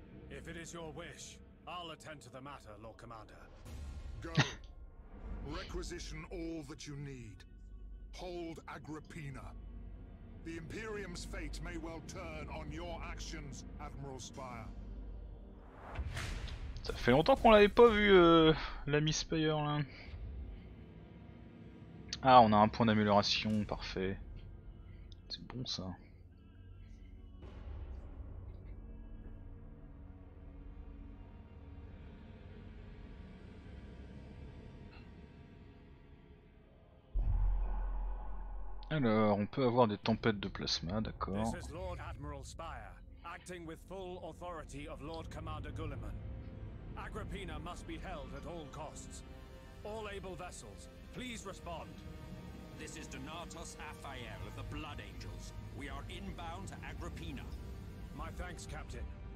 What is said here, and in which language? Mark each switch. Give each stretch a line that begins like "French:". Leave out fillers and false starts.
English: If it is your wish, I'll attend to the matter, Lord Commander. Go. Requisition all that you need. Hold Agrippina. The Imperium's fate may well turn on your actions, Admiral Spire.
French: Ça fait longtemps qu'on l'avait pas vu, l'ami Spire là. Ah, on a un point d'amélioration, parfait. C'est bon ça. Alors, on peut avoir des tempêtes de plasma, d'accord.
English: This is Lord Admiral Spire, acting with full authority of Lord Commander Gulliman. Agrippina must be held at all costs. All able vessels, please respond. This is Donatus Aphael of the Blood Angels. We are inbound to Agrippina. My thanks, Captain.